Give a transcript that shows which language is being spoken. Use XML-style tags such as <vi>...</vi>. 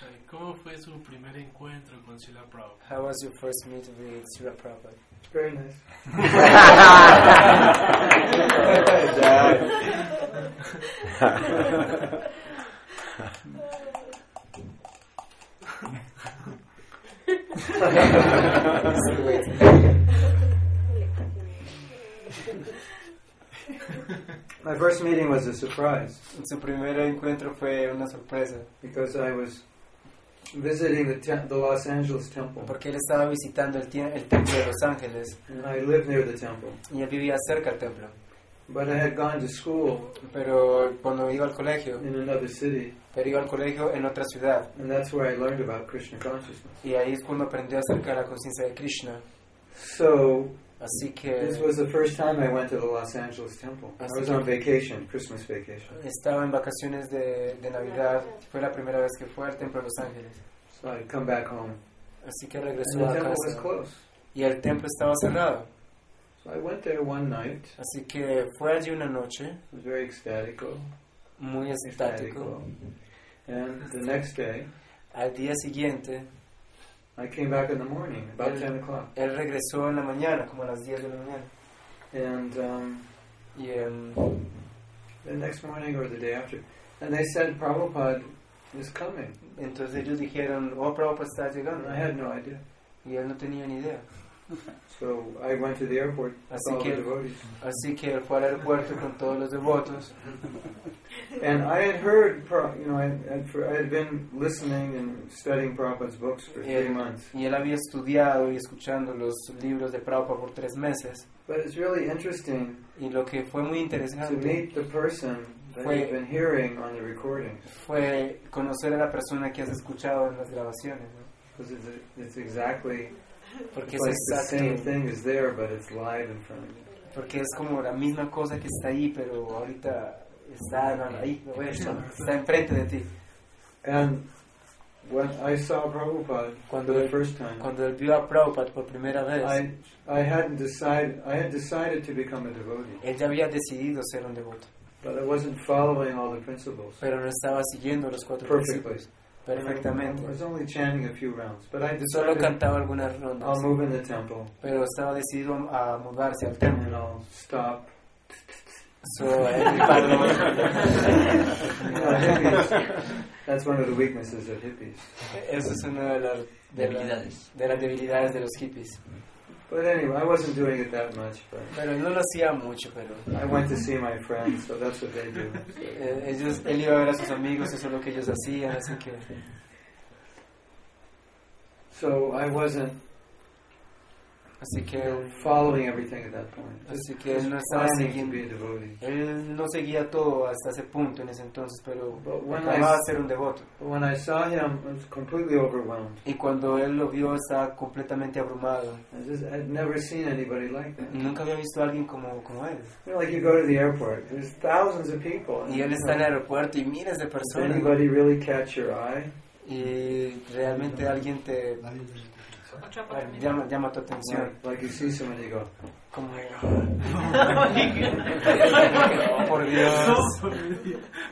<es>¿Cómo fue su primer encuentro con Srila Prabhupada?</es> <en>How was your first meet with Srila Prabhupada? Very nice. My first meeting was a surprise.</en> <es>Su primer encuentro fue una sorpresa.</es> <en>Because I was visiting the Los Angeles temple.</en> <es>Porque él estaba visitando el templo de Los Ángeles.</es> <en>And I lived near the temple.</en> <es>Y él vivía cerca del templo.</es> <en>But I had gone to school.</en> <es>Pero cuando iba al colegio.</es> <en>In another city.</en> <es>Pero iba al colegio en otra ciudad.</es> <en>And that's where I learned about Krishna consciousness.</en> <es>Y ahí es cuando aprendí acerca de la conciencia de Krishna.</es> <en>So.</en> <es>Así que</es> <en>this was the first time I went to the Los Angeles temple. I was on vacation, Christmas vacation.</en> <es>Estaba en vacaciones de Navidad. Fue la primera vez que fui al templo de Los Ángeles.</es> <en>So I come back home.</en> <es>Así que regresó</es> <en>and</en> <es>a casa.</es> <en>And the temple was closed.</en> <es>Y el templo estaba cerrado.</es> <en>So I went there one night.</en> <es>Así que fue allí una noche.</es> <en>It was very ecstatic.</en> <es>Muy estático.</es> <en>And the next day.</en> <es>Al día siguiente.</es> <en>I came back in the morning, about 10 o'clock.</en> <es>Él regresó en la mañana, como a las 10 de la mañana.</es> <en>And the next morning or the day after. And they said, Prabhupada is coming.</en> <es>Entonces ellos dijeron, oh, Prabhupada está llegando.</es> <en>And I had no idea.</en> <es>Y él no tenía ni idea.</es> <en>So I went to the airport with all the devotees.</en> <es>Así que él fue al aeropuerto con todos los devotos.</es> <en>And I had heard, I had been listening and studying Prabhupada's books for 3 months.</en> <es>Y él había estudiado y escuchando los libros de Prabhupada por 3 meses.</es> <en>But it's really interesting.</en> <es>Y lo que fue muy interesante.</es> <en>To meet the person that you've been hearing on the recordings.</en> <es>Fue conocer a la persona que has escuchado en las grabaciones.</es> <en>Because it's exactly.</en> <es>Porque</es> <en>it's</en> <es>es</es> <en>like the same thing is there, but it's live in front of you.</en> <es>Porque es como la misma cosa que está ahí, pero ahorita. Está enfrente de ti.</es> <en>And when I saw Prabhupada</en> <es>cuando</es> <en>for the first time,</en> <es>cuando él vio a Prabhupada por primera vez,</es> <en>I had decided to become a devotee.</en> <es>Él ya había decidido ser un devoto.</es> <en>But I wasn't following all the principles.</en> <es>Pero no estaba siguiendo los cuatro principios. Perfectamente.</es> <en>I was only chanting a few rounds, but I decided.</en> <es>Solo cantaba algunas rondas.</es> <en>I'll move in the temple.</en> <es>Pero estaba decidido a mudarse al templo.</es> <en>And I'll stop. So everybody. You know, hippies, that's one of the weaknesses of hippies.</en> <es>Eso es una de las debilidades de los hippies.</es> <en>But anyway, I wasn't doing it that much.</en> <es>Pero no lo hacía mucho, pero.</es> <en>I went to see my friends, so that's what they do.</en> <es>Ellos, él iba a ver a sus amigos, eso es lo que ellos hacían, así que.</es> <en>So I wasn't.</en> <es>Así que</es> <en>following everything at that point.</en> <es>Así que él no estaba siguiendo. Él no seguía todo hasta ese punto en ese entonces, pero acababa de ser un devoto.</es> <en>When I saw him, I was completely overwhelmed.</en> <es>Y cuando él lo vio, estaba completamente abrumado.</es> <en>I'd never seen anybody like that.</en> <es>Nunca había visto a alguien como él.</es> <en>Like you go to the airport, there's thousands of people.</en> <es>Y él está en el aeropuerto y miles de personas.</es> <en>Anybody really catch your eye?</en> <es>Y realmente alguien te llama tu atención.</es> <en>Like you see someone, you go,</en> <es>como digo, por Dios.</es>